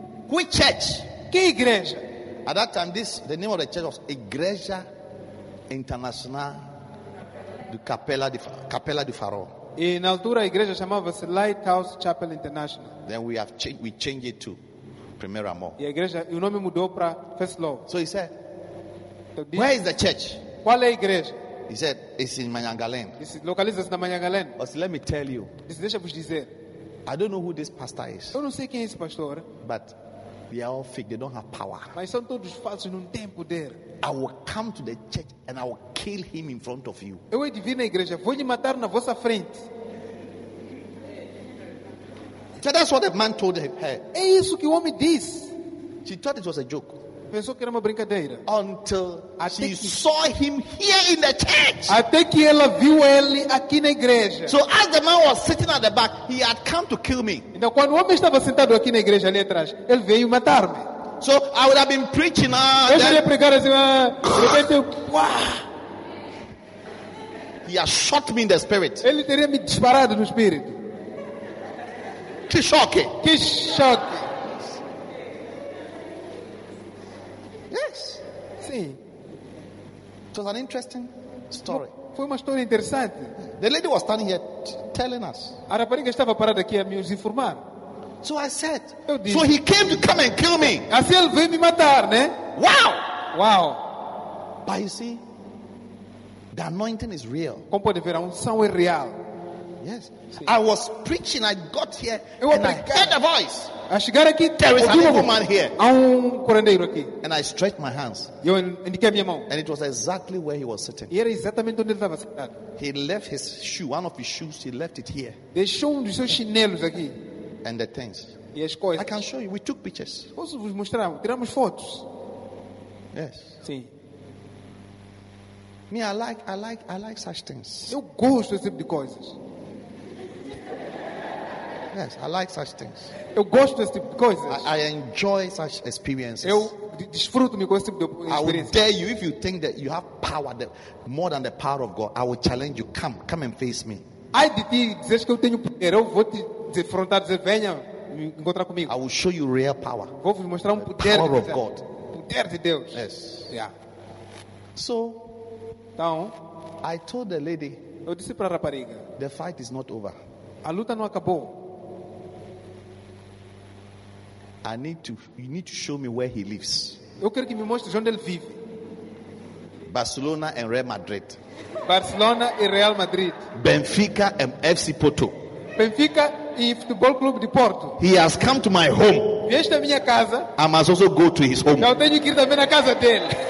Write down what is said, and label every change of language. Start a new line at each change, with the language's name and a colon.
English: Which church?
Portuguese: Que igreja?
English: At that time, the name of the church was Igreja Internacional de Capela do Faro.
Portuguese: E na altura a igreja chamava-se Lighthouse Chapel International.
English: Then we have we changed it to Primeiro Amor.
Portuguese: E a igreja, o nome mudou para First Love.
English: So he said, where is the church?
Portuguese: Qual é a igreja?
English: He said, it's in Manyangalen.
Portuguese: Isso localiza-se na Manyangalen.
English: But let me tell you.
Portuguese: Isso deixa-vos dizer.
English: I don't know who this pastor is.
Portuguese: Eu não sei quem é esse pastor.
English: But they are all fake. They don't have power.
Portuguese: Mas são todos falsos, não têm poder.
English: I will come to the church and I will kill him in front of you.
Portuguese: Eu hei de vir na igreja, vou lhe matar na vossa frente.
English: So that's what the man told her.
Portuguese: É isso que o homem disse.
English: She thought it was a joke.
Portuguese: Pensou que era uma brincadeira.
English: Until she saw him here in the church.
Portuguese: Até que ela viu ele aqui na igreja.
English: So as the man was sitting at the back, he had come to kill me.
Portuguese: Então quando o homem estava sentado aqui na igreja ali atrás, ele veio matar-me.
English: So I would have been preaching now.
Portuguese: Eu iria pregar assim, de repente,
English: he has shot me in the spirit.
Portuguese: Ele teria me disparado no espírito. Que choque! Que choque!
English: Yes.
Portuguese: Sim.
English: It was an interesting story.
Portuguese: Foi uma história interessante.
English: The lady was standing here telling us.
Portuguese: A rapariga estava parada aqui a me informar.
English: So I said.
Portuguese: Eu disse,
English: so he came to come and kill me.
Portuguese: Assim ele veio me matar, né? Wow! Wow!
English: But you see, the anointing is real.
Portuguese: Como pode ver, a unção é real.
English: Yes.
Portuguese: Sim.
English: I was preaching. I got here.
Portuguese: Eu
English: and I heard a voice.
Portuguese: A chegar aqui,
English: there is an evil man here.
Portuguese: Há curandeiro aqui.
English: And I stretched my hands.
Portuguese: E eu indiquei minha mão.
English: And it was exactly where he was sitting.
Portuguese: E era exatamente onde ele estava sentado.
English: He left his shoe. One of his shoes. He left it here.
Portuguese: Deixou um dos seus chinelos aqui.
English: And the things.
Portuguese: E as coisas.
English: I can show you. We took pictures.
Portuguese: Posso vos mostrar? Tiramos fotos.
English: Yes.
Portuguese: Sim.
English: Me, I like such things.
Portuguese: Eu gosto desse tipo de coisas.
English: Yes, I like such things.
Portuguese: Eu gosto desse tipo de coisas.
English: I enjoy such experiences.
Portuguese: Eu desfruto-me com esse tipo de experiências.
English: I will dare you if you think that you have power that more than the power of God. I will challenge you. Come and face me.
Portuguese: Ai de ti, dizes que eu tenho poder. Eu vou te defrontar, dizer, venha me encontrar comigo.
English: I will show you real power.
Portuguese: Vou vos mostrar um poder.
English: Power of God.
Portuguese: Poder de Deus.
English: Yes. Yeah. So,
Portuguese: então,
English: I told the lady.
Portuguese: Eu disse para a rapariga.
English: The fight is not over.
Portuguese: A luta não acabou.
English: You need to show me where he lives.
Portuguese: Eu quero que me mostre onde ele vive.
English: Barcelona and Real Madrid.
Portuguese: Barcelona e Real Madrid.
English: Benfica and FC Porto.
Portuguese: Benfica e Futebol Clube de Porto.
English: He has come to my home.
Portuguese: Vieste à minha casa.
English: I must also go to his home.
Portuguese: Eu tenho que ir também na casa dele.